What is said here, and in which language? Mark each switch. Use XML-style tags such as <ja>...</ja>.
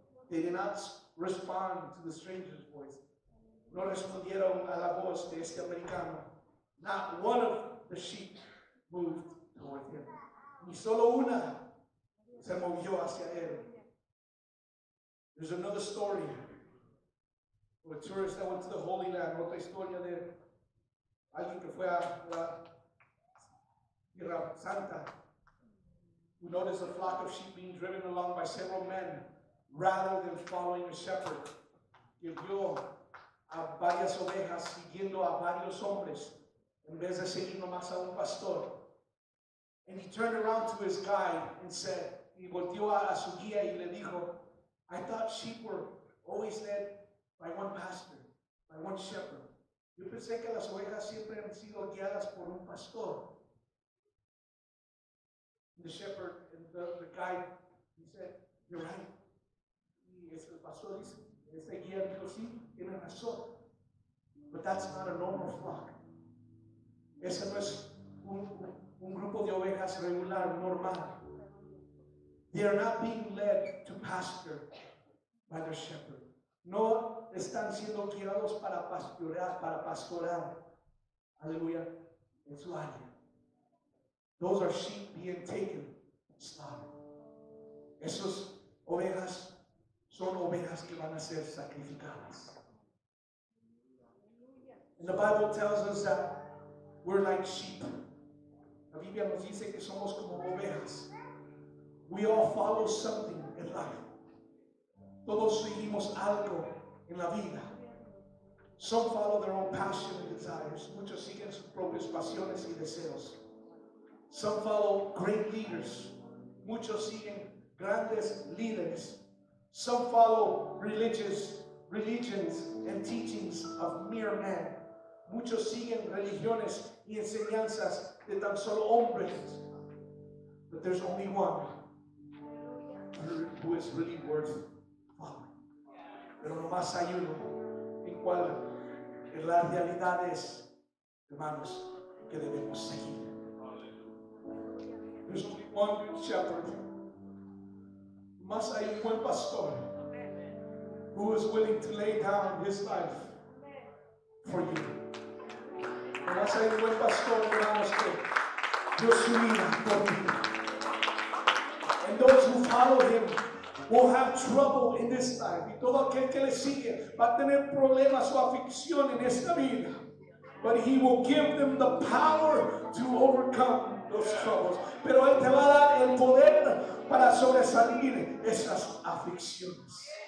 <en>They did not respond to the stranger's voice.</en> <es>No respondieron a la voz de este americano.</es> <en>Not one of the sheep moved toward him.</en> <es>Ni solo una se movió hacia él.</es> <en>There's another story of a tourist that went to the Holy Land.</en> <es>Otra historia de alguien que fue a la Tierra Santa.</es> <en>Who noticed a flock of sheep being driven along by several men rather than following a shepherd.</en> <es>Y vio a varias ovejas siguiendo a varios hombres en vez de seguir nomás a un pastor.</es> <en>And he turned around to his guide and said,</en> <es>y volteó a su guía y le dijo,</es> <en>I thought sheep were always led by one pastor, by one shepherd.</en> <es>Yo pensé que las ovejas siempre han sido guiadas por un pastor.</es> <en>The shepherd and the guide, he said, you're right.</en> <es>Y el pastor dice, ese guía dijo, sí, tiene razón.</es> <en>But that's not a normal flock.</en> <es>Ese no es un grupo de ovejas regular, normal.</es> <en>They are not being led to pasture by their shepherd.</en> <es>No están siendo guiados para pastorear. Aleluya. En su área.</es> <en>Those are sheep being taken slaughter.</en> <es>Esas ovejas son ovejas que van a ser sacrificadas.</es> <en>And the Bible tells us that we're like sheep.</en> <es>La Biblia nos dice que somos como ovejas.</es> <en>We all follow something in life.</en> <es>Todos seguimos algo en la vida.</es> <en>Some follow their own passion and desires.</en> <es>Muchos siguen sus propias pasiones y deseos.</es> <en>Some follow great leaders.</en> <es>Muchos siguen grandes líderes.</es> <en>Some follow religions and teachings of mere men.</en> <es>Muchos siguen religiones y enseñanzas de tan solo hombres.</es> <en>But there's only one who is really worth following.</en> <es>Pero nomás hay uno en cual en la realidad es, hermanos, que debemos seguir.</es> <en>There's only one good shepherd.</en> <es>Más hay un buen pastor</es> <en>who is willing to lay down his life for you.</en> <es>Más hay un buen pastor, hermanos, que dio su vida por ti.</es> <en>And those who follow him will have trouble in this life.</en> <es>Y todo aquel que le sigue va a tener problemas o aflicción en esta vida.</es> <en>But he will give them the power to overcome those troubles.</en> <es>Pero él te va a dar el poder para sobresalir esas aflicciones.</es>